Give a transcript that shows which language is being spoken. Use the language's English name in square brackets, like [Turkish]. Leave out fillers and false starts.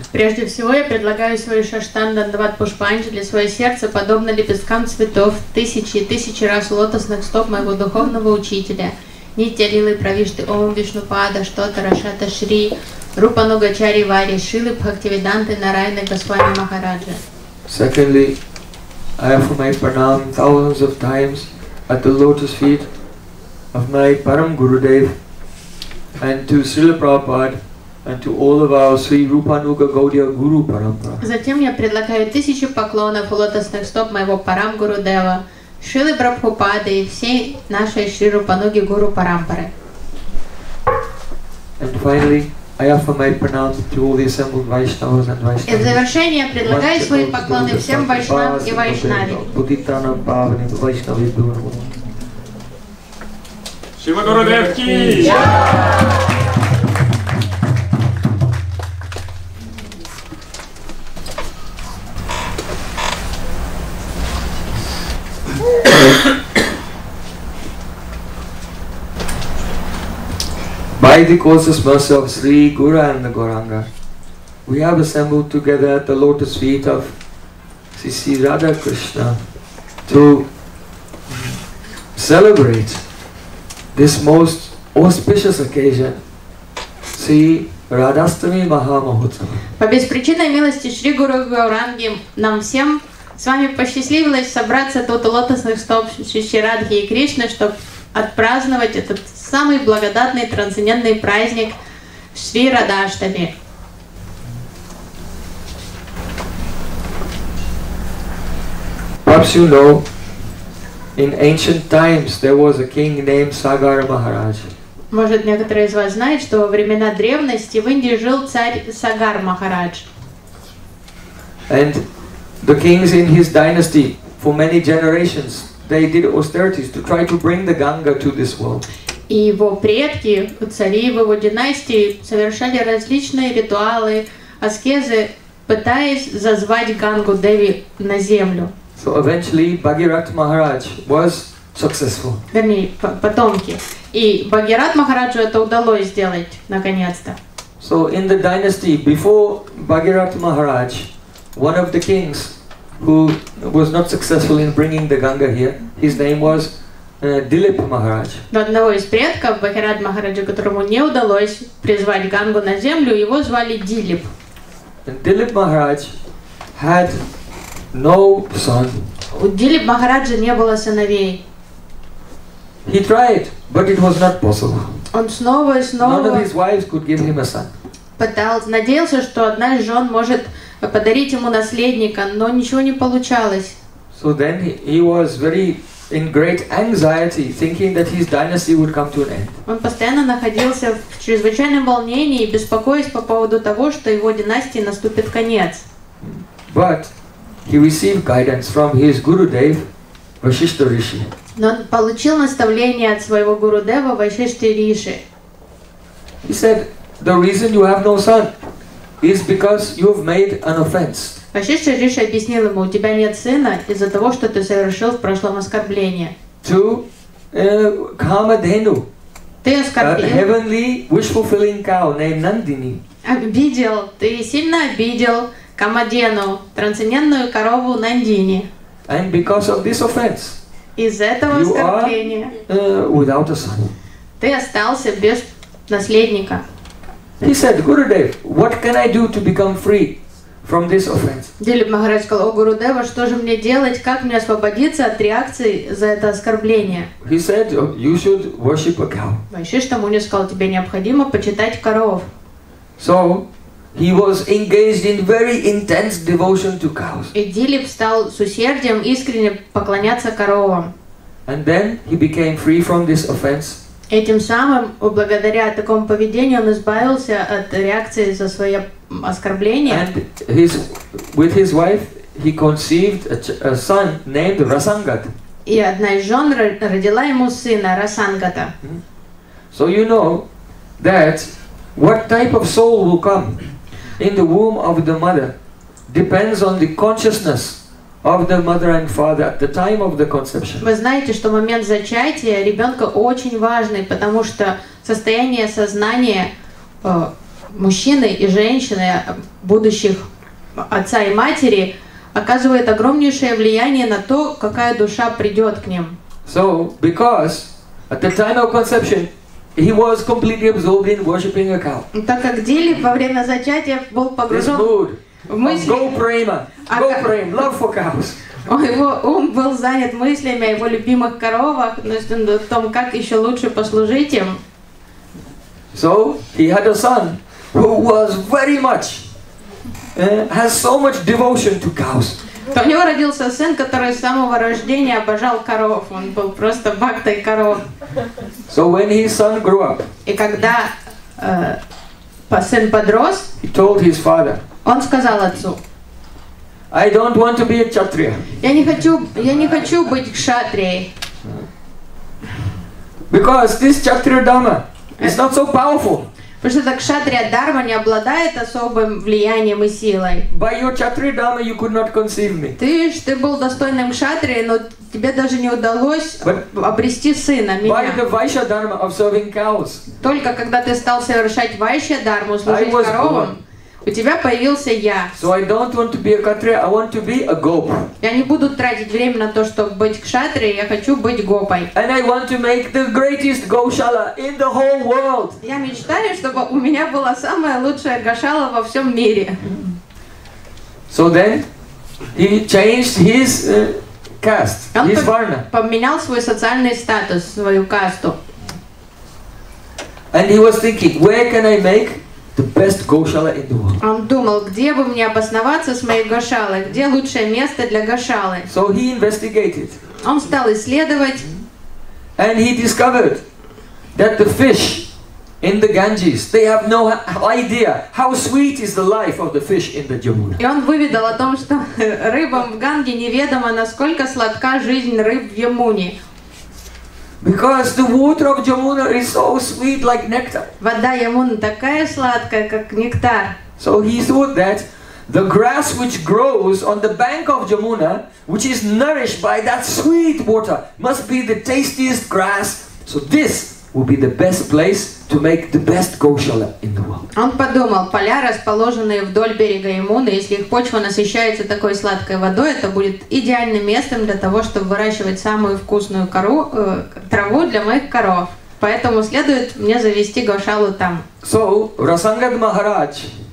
[Russian] Прежде всего я предлагаю свою шаштанду отдавать Пушпанджали, свое сердце подобно лепесткам цветов, тысячи и тысячи раз лотосных стоп моего духовного учителя, Нитья Лилы Правишты Ом Вишнупада, Штотарашата Шри, Рупануга Чари Вари, Шилы Бхактивиданты Нарайана Госвами Махараджа. [English] Secondly, I offer my pranam thousands of times at the lotus feet of my Param Gurudev and to Srila Prabhupada and to all of our Sri Rupanuga Gaudiya Guru Parampara. [Russian] Затем я предлагаю тысячу поклонов у лотосных стоп моего Парам Гурудева, Шрилы Прабхупады и всей нашей Шри Рупануги Гуру Парампары. [English] And finally, I offer my pranam to all the assembled Vaishnavas and Vaishnavas. [Russian] И в завершение я предлагаю свои поклоны всем Vaishnavas и Vaishnavas. Bhavani Vaishnavi Durva. [Hindi] Shiva Gurudev ki! [English] Yeah! By the causes mercy of Sri Guru and Gauranga, we have assembled together at the lotus feet of Sri Radha Krishna to celebrate this most auspicious occasion, Sri Radhastami Mahamahotsava. [Russian] По беспричинной милости Шри Гуру Гауранги нам всем с вами посчастливилось собраться тут у лотосных стоп Шри Радхи и Кришны, чтобы отпраздновать этот самый благодатный трансцендентный праздник Шри Радхаштами. [English] Perhaps you know, in ancient times there was a king named Sagara Maharaj. [Russian] Может, некоторые из вас знают, что во времена древности в Индии жил царь Сагар Махарадж. [English] And the kings in his dynasty, for many generations, they did austerities to try to bring the Ganga to this world. [Russian] И его предки, цари в его династии, совершали различные ритуалы, аскезы, пытаясь зазвать Гангу Деви на землю. [English] So eventually, Bhagirath Maharaj was successful. [Russian] Вернее, потомки. И Бхагират Махараджу это удалось сделать, наконец-то. [English] So in the dynasty before Bhagirath Maharaj, one of the kings who was not successful in bringing the Ganga here, his name was Dilip Maharaj. [Russian] До одного из предков Бхагират Махараджа, которому не удалось призвать Гангу на землю, его звали Дилип. [English] And Dilip Maharaj had no son. [Russian] У Дилип Махараджа не было сыновей. [English] He tried, but it was not possible. [Russian] Он снова и снова. [English] None of his wives could give him a son. [Russian] Пытался, надеялся, что одна из жен может подарить ему наследника, но ничего не получалось. [English] So then he was very in great anxiety, thinking that his dynasty would come to an end. [Russian] Он постоянно находился в чрезвычайном волнении, беспокоясь по поводу того, что его династии наступит конец. [English] But he received guidance from his Gurudev, Vasishtha Rishi. [Russian] Но он получил наставление от своего гуру Дева Вайшишти Риши. [English] He said, the reason you have no son is because you've made an offense. [Russian] Вайшишти Риши объяснил ему, у тебя нет сына из-за того, что ты совершил в прошлом оскорбление. [English] To Kamadhenu. [Russian] Ты оскорбил. [English] A heavenly wish-fulfilling cow named Nandini. [Russian] Обидел, ты сильно обидел Камадену, трансцендентную корову Нандини. [English] And because of this offense. [Russian] Из этого оскорбления. [English] You are, without a son. [Russian] Ты остался без наследника. [English] He said, Gurudev, what can I do to become free from this offense? [Russian] Дилип Махарадж сказал, о Гурудева, что же мне делать, как мне освободиться от реакции за это оскорбление? [English] He said, you should worship a cow. [Russian] Вайшишта Муни сказал, тебе необходимо почитать коров. [English] So he was engaged in very intense devotion to cows. [Russian] И Дилип стал с усердием искренне поклоняться коровам. [English] And then he became free from this offense. [Russian] Этим самым, благодаря такому поведению, он избавился от реакции за свое оскорбление. [English] And his, with his wife, he conceived a son named Rasangat. [Russian] И одна из жен родила ему сына Расангата. [English] So you know that what type of soul will come in the womb of the mother depends on the consciousness of the mother and father at the time of the conception. [Russian] Вы знаете, что момент зачатия ребенка очень важный, потому что состояние сознания мужчины и женщины, будущих отца и матери, оказывает огромнейшее влияние на то, какая душа придет к ним. [English] So, because at the time of conception he was completely absorbed in worshiping a cow. [Russian] Так как Дилип во время зачатия был погружен в мысли. [English] Go prema, go prema, love for cows. [Russian] Его ум был занят мыслями о его любимых коровах, но и о том, как еще лучше послужить им. [English] So he had a son who was very much has so much devotion to cows. [Russian] То у него родился сын, который с самого рождения обожал коров. Он был просто бхактой коров. [English] So when his son grew up, [Russian] и когда сын подрос, [English] he told his father, [Russian] он сказал отцу, [English] I don't want to be a kshatriya. [Russian] Я не хочу быть кшатрией. [English] Because this kshatriya dharma is not so powerful. [Russian] Потому что кшатрия дарма не обладает особым влиянием и силой. [English] By your kshatriya dharma you could not conceive me. [Russian] Ты был достойным кшатрии, но тебе даже не удалось обрести сына меня. [English] By the vaishya dharma of serving cows. [Russian] Только когда ты стал совершать вайшья дарму, служить коровам. У тебя появился я. [English] So I don't want to be a kshatriya, I want to be a gopa. [Russian] Я не буду тратить время на то, чтобы быть кшатрией, я хочу быть гопой. [English] And I want to make the greatest goshala in the whole world. [Russian] Я мечтаю, чтобы у меня была самая лучшая гошала во всем мире. [English] So then he changed his caste, his varna. [Russian] Поменял свой социальный статус, свою касту. [English] And he was thinking, where can I make the best goshala in the world. [Russian] Он думал, где бы мне обосноваться с моей гошалой, где лучшее место для гошалы. [English] So he investigated. [Russian] Он стал исследовать. [English] And he discovered that the fish in the Ganges, they have no idea how sweet is the life of the fish in the Yamuna. [Russian] И он выведал о том, что рыбам в Ганге неведомо, насколько сладка жизнь рыб в Ямуне. [English] Because the water of Yamuna is so sweet, like nectar. [Russian] Вода Ямуны такая сладкая, как нектар. [English] So he thought that the grass which grows on the bank of Yamuna, which is nourished by that sweet water, must be the tastiest grass. So this will be the best place to make the best goshala in the world. [Russian] Он подумал, поля, расположенные вдоль берега Ямуны, если их почва насыщается такой сладкой водой, это будет идеальным местом для того, чтобы выращивать самую вкусную траву для моих коров. Поэтому следует мне завести гошалу там. [English] So, Rasangat Maharaj